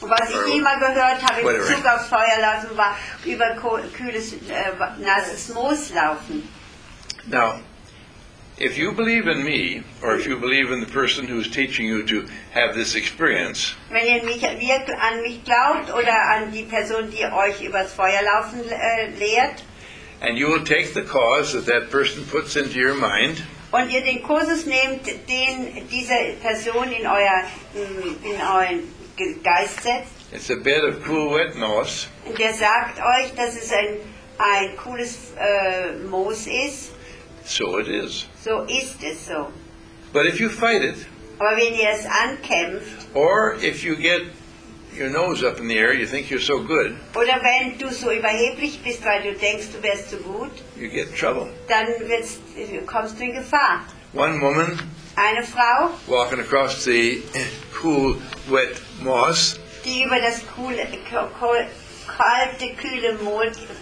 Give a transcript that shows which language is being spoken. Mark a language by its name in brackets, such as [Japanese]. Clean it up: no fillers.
[German] Was ich immer gehört habe, whatever. In Bezug auf Feuer laufen war über kühles nasses Moos laufen. [English] Now, if you believe in me, or if you believe in the person who's teaching you to have this experience, [German] wenn ihr mich wirklich an mich glaubt oder an die Person, die euch übers Feuer laufen lehrt, [English] and you will take the cause that that person puts into your mind, [German] und ihr den Kursus nehmt, den diese Person in euer in euren Geist setzt, [English] it's a bit of cool wet moss. [German] Der sagt euch, dass es ein cooles Moos ist. [English] So it is. [German] So ist es so. [English] But if you fight it, [German] aber wenn ihr es ankämpft, [English] or if you get your nose up in the air, you think you're so good, [German] oder wenn du so überheblich bist, weil du denkst, du wärst so gut, [English] you get trouble. [German] Dann kommst du in Gefahr. [English] One woman, [German] eine Frau, [English] walking across the cool, wet moss. [German] Die über das coole, kalte, kühle Moos.